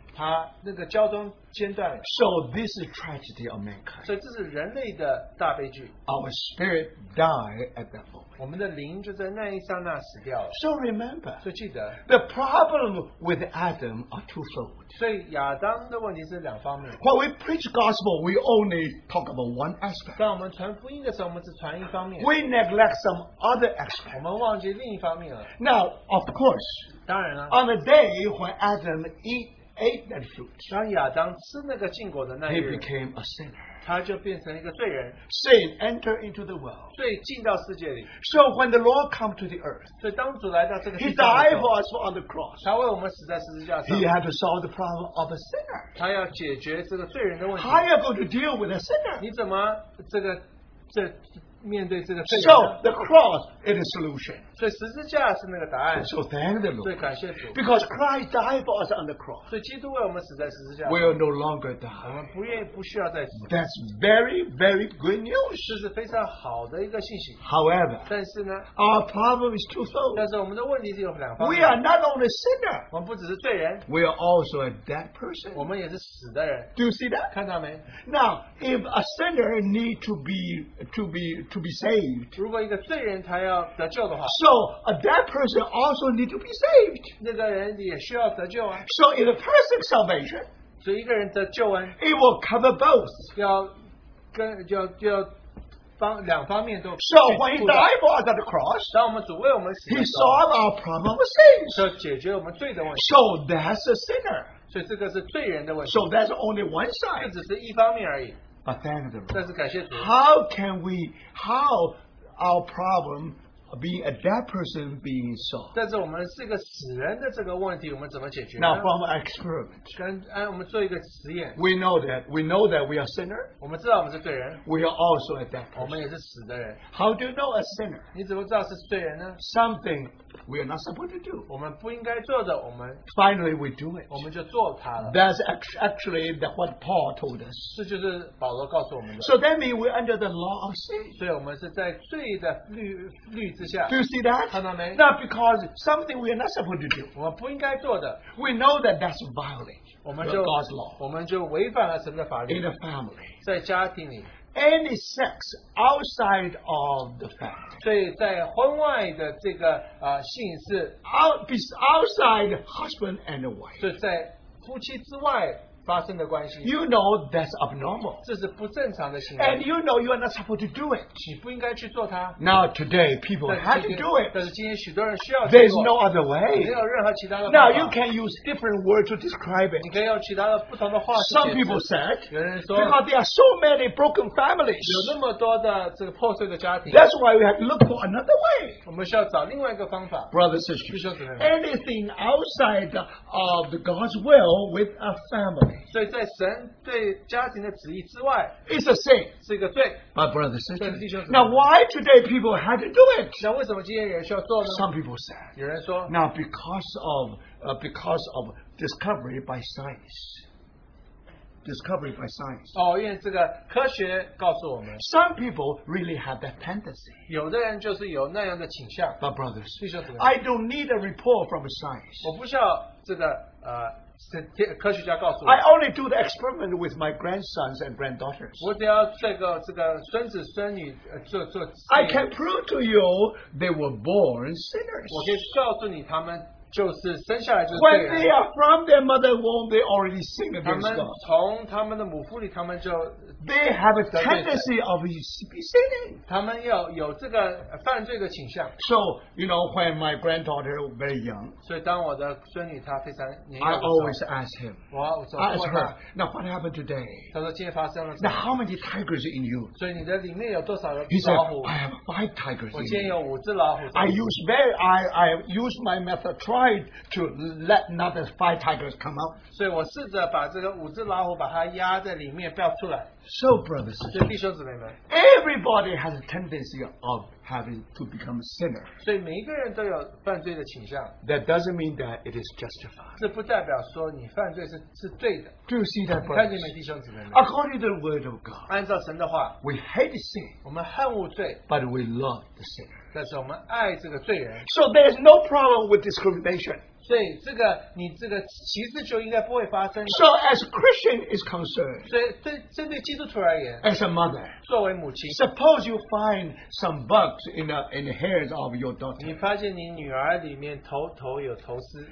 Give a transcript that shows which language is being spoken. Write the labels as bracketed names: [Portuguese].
[Chinese] 他那个交通间断了, [English] so this is tragedy of mankind. [Chinese] 所以这是人类的大悲剧, [English] our spirit died at that moment. [Chinese] 我们的灵就在那一刹那死掉了, [English] so remember, [Chinese] 所以记得, [English] the problem with Adam are twofold. [Chinese] 所以亚当的问题是两方面, [English] when we preach gospel, we only talk about one aspect. [Chinese] 当我们传福音的时候,我们只传一方面, [English] we neglect some other aspect. [Chinese] 我们忘记另一方面了, [English] now, of course, [Chinese] 当然了, [English] on the day when Adam ate that fruit, [Chinese] 当亚当吃那个禁果的那日, [English] he became a sinner. [Chinese] 他就变成一个罪人, [English] sin enter into the world. [Chinese] 罪进到世界里, [English] so when the Lord come to the earth, [Chinese] 所以当主来到这个世界里, [English] he died for us on the cross. [Chinese] 他为我们死在十字架上, [English] he had to solve the problem of a sinner. [Chinese] 他要解决这个罪人的问题, [English] how are you going to deal with a sinner? [Chinese] 你怎么这面对这个罪人? [English] So the cross is a solution. [Chinese] 所以十字架是那个答案, [English] so thank the Lord. [Chinese] 所以感谢主, [English] because Christ died for us on the cross. [Chinese] 所以基督为我们死在十字架, [English] we will no longer die. [Chinese] 我们不愿意不需要再死, [English] that's very, very good news. [Chinese] 这是非常好的一个信息, [English] however, [Chinese] 但是呢, [English] our problem is twofold. [Chinese] 但是我们的问题是有两方面, [English] we are not only sinner, [Chinese] 我们不只是罪人, [English] we are also a dead person. [Chinese] 我们也是死的人, [English] do you see that? [Chinese] 看到没? [English] Now, if a sinner need to be saved, [Chinese] 如果一个罪人他要得救的话, [English] so a dead person also need to be saved. [Chinese] 那个人也需要得救啊, [English] so in a perfect salvation, [Chinese] 所以一个人得救恩, [English] it will cover both. [Chinese] 要两方面都, [English] so when he died for us at the cross, [Chinese] 当我们主为我们死的时候, [English] he solved our problem of sins. [Chinese] 所以解决我们罪的问题, [English] so that's a sinner. [Chinese] 所以这个是罪人的问题, [English] so that's only one side. [Chinese] 这只是一方面而已, [English] but thank the Lord. [Chinese] 但是感谢主, [English] how can we, how our problem being a dead person being solved? [Chinese] 但是我们是个死人的这个问题我们怎么解决呢? [English] Now from an experiment, [Chinese] 我们做一个实验, [English] we know that we are sinner, [Chinese] 我们知道我们是罪人, [English] we are also a dead person, [Chinese] 我们也是死的人, [English] how do you know a sinner? [Chinese] 你怎么知道是罪人呢? [English] Something we are not supposed to do, [Chinese] 我们不应该做的, [English] finally we do it, [Chinese] 我们就做它了, [English] that's actually what Paul told us. [Chinese] 这就是保罗告诉我们的, [English] so that means we're under the law of sin. [Chinese] 所以我们是在罪的律, [English] do you see that? [Chinese] 看到没? [English] Not because something we are not supposed to do, [Chinese] 我们不应该做的, [English] we know that that's violating God's law. [Chinese] 我们就违反了神的法律, [English] in a family, [Chinese] 在家庭里, [English] any sex outside of the family, [Chinese] 所以在婚外的这个, 性是, [English] outside husband and wife, [Chinese] 所以在夫妻之外, [English] you know that's abnormal. [Chinese] 这是不正常的行为, [English] and you know you are not supposed to do it. [Chinese] 你不应该去做它, [English] now today people have to do it. [Chinese] 但是今天许多人需要做, [English] there is no other way. [Chinese] 没有任何其他的方法, [English] now you can use different words to describe it. [Chinese] 你可以用其他的不同的话去解释, [English] some people said, [Chinese] 有人说, [English] because there are so many broken families, [Chinese] 有那么多的这个破碎的家庭, [English] that's why we have to look for another way. [Chinese] 我们需要找另外一个方法, [English] brothers and sisters, anything outside of God's will with a family, [Chinese] 所以在神对家庭的旨意之外, [English] it's a sin, [Chinese] 是一个罪, [English] my brother said, [Chinese] 弟兄姊妹, [English] now why today people had to do it? [Chinese] 那为什么今天人需要做呢? [English] Some people said, [Chinese] 有人说, [English] now because of discovery by science. [Chinese] 因为这个科学告诉我们, [English] some people really have that tendency. [Chinese] 有的人就是有那样的倾向, [English] my brothers, [Chinese] 弟兄姊妹, [English] I don't need a report from science. [Chinese] 我不需要这个, [English] I only do the experiment with my grandsons and granddaughters. [Chinese] 我只要这个孙子孙女做做, [English] I can prove to you they were born sinners. [Chinese] 我可以告诉你他们就是生下来就是, [English] when they are from their mother womb, they already sin against God. [Chinese] 他们从他们的母腹里, 他们就, [English] they have a tendency of sinning. [Chinese] 他们有这个犯罪的倾向。 [English] So, you know, when my granddaughter was very young, [Chinese] 所以当我的孙女她非常年幼的时候, [English] I always ask him, [Chinese] 我问她, [English] ask her, now what happened today? [Chinese] 她说今天发生了什么? [English] Now how many tigers in you? [Chinese] 所以你的里面有多少老虎? [English] He said, I have 5 tigers in you. [Chinese] 我今天有5只老虎, [English] I use my method, tried to let another 5 tigers come out. [Chinese] 所以我试着把这个五只老虎把它压在里面不要出来。 [English] So, brothers, everybody has a tendency of having to become a sinner. [Chinese] 所以每一个人都有犯罪的倾向, [English] that doesn't mean that it is justified. [Chinese] 这不代表说你犯罪是对的, [English] do you see that verse? [Chinese] 你看见没弟兄姊妹们? [English] According to the word of God, [Chinese] 按照神的话, [English] we hate sin, [Chinese] 我们恨恶罪, [English] but we love the sinner. [Chinese] 但是我们爱这个罪人, [English] so there is no problem with discrimination. [Chinese] 所以这个你这个歧视就应该不会发生. [English] So as Christian is concerned, [Chinese] 所以对基督徒而言, [English] as a mother, [Chinese] 作为母亲, [English] suppose you find some bugs in the hairs of your daughter. [Chinese] 你发现你女儿里面头有头丝,